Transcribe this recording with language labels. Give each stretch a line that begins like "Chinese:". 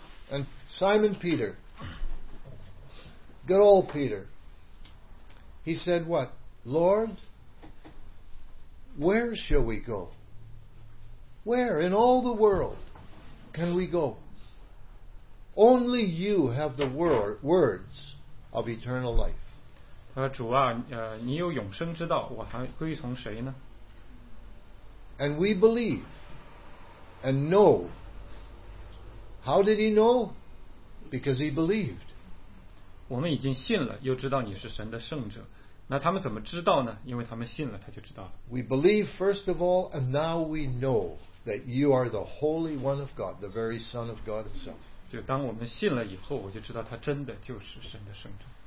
English: And Simon Peter, good old Peter, he said what? Lord, where shall we go? Where in all the world can we go? Only you have the words of eternal life.
Chinese: 主啊，你有永生之道，我还归从谁呢？
English: And we believe and know. How did he know? Because he believed.
Chinese: 我们已经信了，又知道你是神的圣者。那他们怎么知道呢？因为他们信了，他就知道了。
English: We believe first of all, and now we know that you are the Holy One of God, the very Son of God himself.
Chinese: 就当我们信了以后，我就知道他真的就是神的圣者。